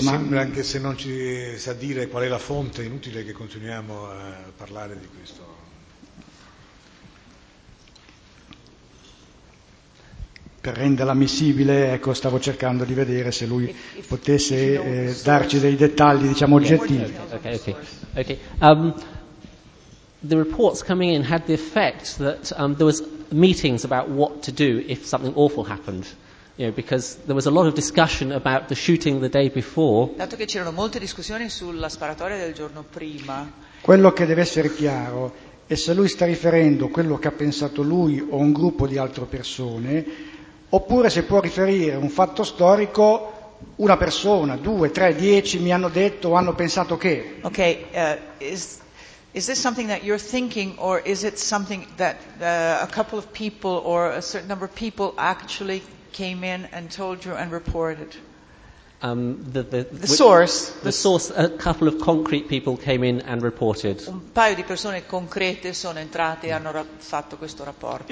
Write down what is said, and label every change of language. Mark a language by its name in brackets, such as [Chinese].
[Italian] Mi sembra, anche se non ci sa dire qual è la fonte, è inutile che continuiamo a parlare di questo. Per renderla ammissibile, ecco, stavo cercando di vedere se lui potesse darci dei dettagli, diciamo, oggettivi. [English] Okay. The reports coming in had the effect that there was meetings about what to do if something awful happened, because there was a lot of discussion about the shooting the day before. [Italian] Dato che c'erano molte discussioni sulla sparatoria del giorno prima. Quello che deve essere chiaro è se lui sta riferendo quello che ha pensato lui o un gruppo di altre persone. Oppure se può riferire un fatto storico, una persona, due, tre, dieci mi hanno detto o hanno pensato che. [English] Ok, is this something that you're thinking or is it something that a couple of people or a certain number of people actually came in and told you and reported? The source, a couple of concrete people came in and reported. [Italian] Un paio di persone concrete sono entrate e hanno fatto questo rapporto.